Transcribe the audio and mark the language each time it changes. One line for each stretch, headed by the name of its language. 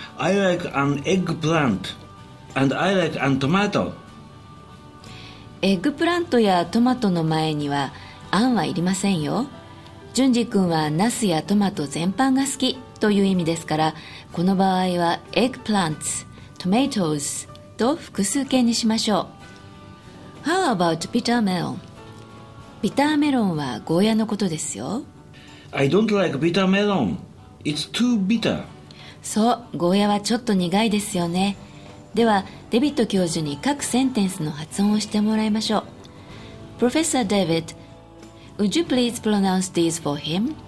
English: I like an eggplant and I like a tomato。
Japanese: エッグプラントやトマトの前にはあんはいりませんよ。順次君はナスやトマト全般が好きという意味ですから、この場合は
English: eggplants, tomatoes
Japanese: と複数形にしましょう。
English: How about bitter melon?
Japanese: ビターメロンはゴーヤのことですよ。
English: I don't like bitter melon. It's too bitter.
Japanese: そう、ゴーヤはちょっと苦いですよね。ではデビッド教授に各センテンスの発音をしてもらいましょう。
English: Professor David, would you please pronounce these for him?